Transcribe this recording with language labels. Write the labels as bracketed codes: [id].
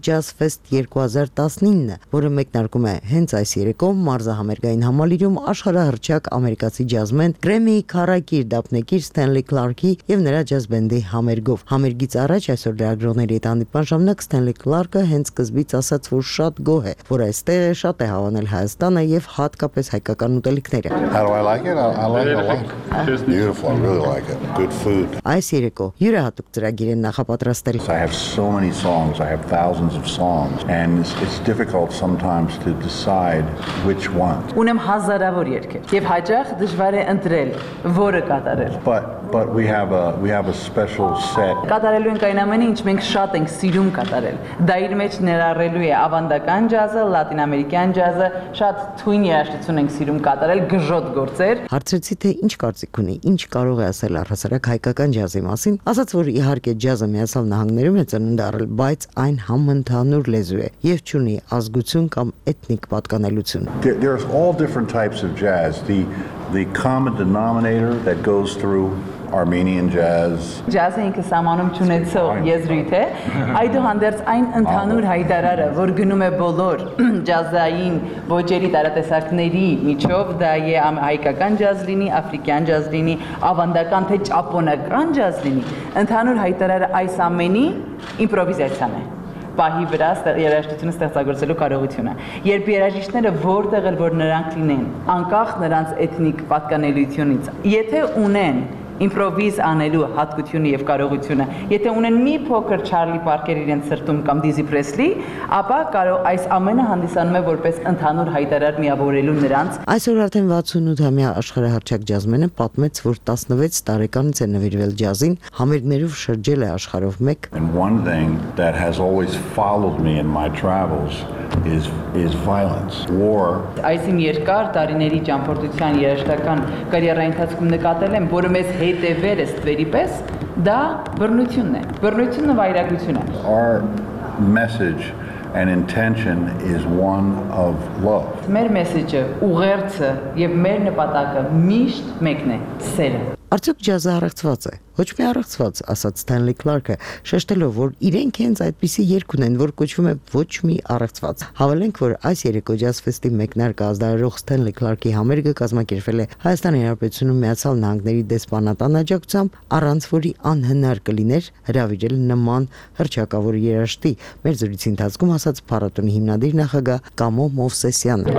[hy] Ջազ Ֆեսթ 2019-ը, որը մեկնարկում է հենց այս երեկո մարզահամերգային համալիրում աշխարհահռչակ ամերիկացի ջազմեն Գրեմիի քառակիր դափնեկիր Ստենլի Կլարկի և նրա ջազբենդի համերգով։ Համերգից առաջ այսօր լրագրողների հետ հանդիպման ժամանակ Ստենլի Կլարկը հենց սկզբից ասաց, որ շատ գոհ է, որ այստեղ է, շատ է հավանել Հայաստանը և հատկապես հայկական ուտելիքները։ Այս երեկո յուրահատուկ ծրագիր են նախապատրաստել։ [en] I have so many songs, I have thousands of songs, and it's it's difficult sometimes to decide which one. [hy] Ունեմ հազարավոր երկեր եւ հաճախ դժվար է ընտրել որը կատարել. [en] But we have a special set. [hy] Կատարելու ենք այն ամենը ինչ մենք շատ ենք սիրում կատարել։ Դա իր մեջ ներառելու է ավանդական ջազը, լատինամերիկյան ջազը, շատ թույն երաժշտություն ենք սիրում կատարել, գժոտ գործեր։ Հարցրեցի թե ինչ կարծիք ունի, ինչ կարող է ասել առհասարակ հայկական ջազի մասին, ասաց որ իհարկե ջազը միացավ նահանգներում է ծննդարել, բայց այն համընդհանուր լեզու է եւ չունի ազգություն կամ էթնիկ պատկանելություն։ [en] There are all different types of jazz. The common denominator that goes through Armenian jazz. [hy] Jazz ink samanum chunetso yezrit e. Այդուհանդերձ այն ընդհանուր հայտարարը, որ գնում է բոլոր ջազային ոճերի տարատեսակների միջով, դա է հայկական ջազ լինի, աֆրիկյան ջազ լինի, ավանդական թե ճապոնական ջազ լինի, ընդհանուր հայտարարը այս ամենի իմպրովիզացիան է։ Պահի վրա երաժշտությունը ստեղծագործելու կարողությունը։ Երբ երաժիշտները որտեղ էլ որ նրանք լինեն, անկախ նրանց էթնիկ պատկանելությունից, եթե ունեն իմպրովիզ անելու հատկությունը եւ կարողությունը, եթե ունեն մի փոքր Չարլի Պարկեր իրենց սրտում կամ Դիզի Պրեսլի, ապա կարող այս ամենը հանդիսանում է որպես ընդհանուր հայտարար միավորելու նրանց։ Այսօր արդեն 68-ամյա աշխարհահռչակ ջազմենը պատմեց, որ 16 տարեկանից է նվիրվել ջազին, համերգներով շրջել է աշխարհով մեկ։ And one thing that has always followed me in my travels is violence, war. Այս իմ երկար տարիների ճամփորդության երաժշտական կարիերայի ընթացքում նկատել եմ, որ մեզ հետևել է ստվերի պես, դա բռնությունն է, բռնությունը վայրագությունը։ Our message and intention is one of love. Մեր մեսեջը, ուղերձը եւ մեր նպատակը միշտ մեկն է՝ սերը։ Արդյոք ջազը առեղծված է։ Ոչ մի առեղծված, ասաց Սթենլի Քլարկը, շեշտելով, որ իրենք հենց այդպիսի երգ ունեն, որ կոչվում է ոչ մի առեղծված։ Հավելենք, որ այս երեկո ջազ ֆեստի մեկնարկ ազդարարող Սթենլի Քլարկի համերգը կազմակերպվել է Հայաստանի Հանրապետությունում Միացյալ Նահանգների դեսպանատան աջակցությամբ, առանց որի անհնար կլիներ հրավիրել նման հռչակավոր երաժշտի։ Մեր զրույցի ընթացքում ասաց փառատոնի հիմնադիր նախագահ Կամո Մովսեսյանը.